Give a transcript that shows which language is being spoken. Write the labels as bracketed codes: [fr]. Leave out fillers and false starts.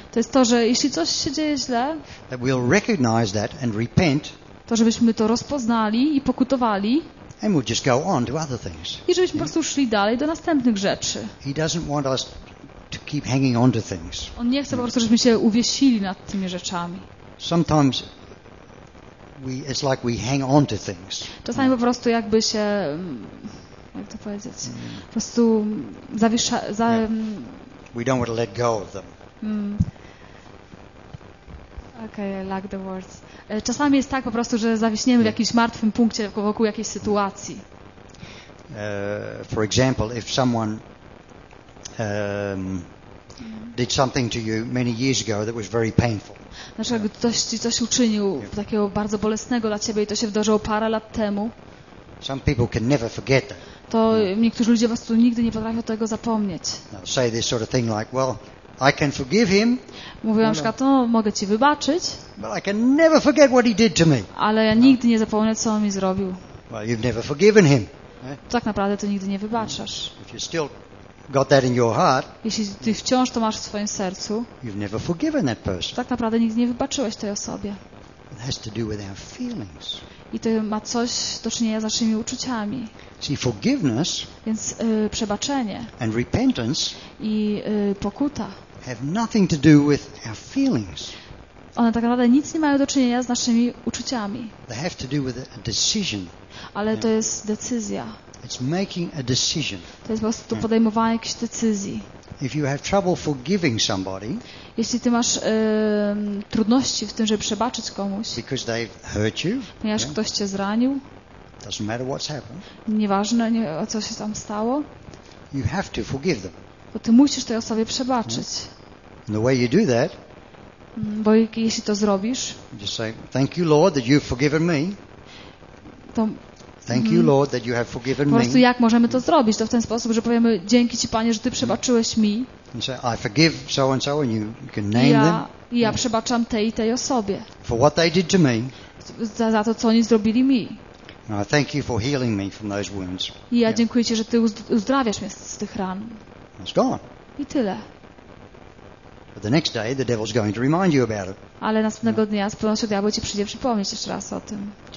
[pl] to jest to, że jeśli coś się dzieje źle, [en] that we'll recognize that and repent, [pl] to żebyśmy to rozpoznali i pokutowali, [en] and we'll just go on to other things. [pl] I żebyśmy po prostu szli dalej do następnych rzeczy. [en] He doesn't want us to keep hanging on to things. [pl] On nie chce po prostu, żebyśmy się uwiesili nad tymi rzeczami. [en] Sometimes it's like we hang on to things. [pl] Czasami po prostu jakby się, jak to powiedzieć, po prostu zawisza, [en] We don't want to let go of them. Okay, I like the words. [pl] Czasami jest tak po prostu, że zawiśniemy w jakimś martwym punkcie wokół jakiejś sytuacji. [en] For example, if someone did something to you many years ago that was very painful. [pl] Na przykład ktoś ci coś uczynił takiego bardzo bolesnego dla ciebie i to się wydarzyło parę lat temu. [en] Some people can never forget that. [pl] To niektórzy ludzie po prostu nigdy nie potrafią tego zapomnieć. [en] Say this sort of thing like, well, I can forgive him. [pl] Mówię na przykład, no, mogę ci wybaczyć. [en] But I can never forget what he did to me. [pl] Ale ja nigdy nie zapomnę, co on mi zrobił. [en] Well, you've never forgiven him. [pl] Tak naprawdę to nigdy nie wybaczasz. [en] If you still got that in your heart, [pl] jeśli ty wciąż to masz w swoim sercu, [en] you've never forgiven that person. [pl] Tak naprawdę nigdy nie wybaczyłeś tej osobie. [en] It has to do with our feelings. [pl] I to ma coś do czynienia z naszymi uczuciami. [en] See, forgiveness, [pl] więc przebaczenie [en] and repentance, [pl] i pokuta [en] have nothing to do with our feelings. [pl] One tak naprawdę nic nie mają do czynienia z naszymi uczuciami. [en] They have to do with a decision. [pl] Ale to jest decyzja. [en] It's making a decision. [pl] To jest po prostu podejmowanie jakiejś decyzji. [en] If you have trouble forgiving somebody, [pl] jeśli ty masz trudności w tym, żeby przebaczyć komuś, [en] because they hurt you, [pl] ponieważ ktoś cię zranił, [en] doesn't matter what's happened, [pl] nieważne, o co się tam stało, [en] you have to forgive them. [pl] Bo ty musisz tej osobie przebaczyć. [en] And the way you do that, [pl] bo jeśli to zrobisz, [en] just say, thank you, Lord, that you've forgiven me. [pl] To [en] thank you, Lord, that you have forgiven me. [pl] Po prostu jak możemy to zrobić? To w ten sposób, że powiemy dzięki ci, Panie, że ty przebaczyłeś mi. [en] I forgive so and so, and you can name them. [pl] Ja przebaczam tej i tej osobie. [en] For what they did to me. [pl] Za to, co oni zrobili mi. [en] And I thank you for healing me from those wounds. [pl] I ja dziękuję ci, że ty uzdrawiasz mnie z tych ran. [en] It's gone. [pl] I tyle. [en] But the next day, the devil's going to remind you about it. [pl] Ale następnego dnia z pewnością diabeł ci przyjdzie przypomnieć jeszcze raz o tym.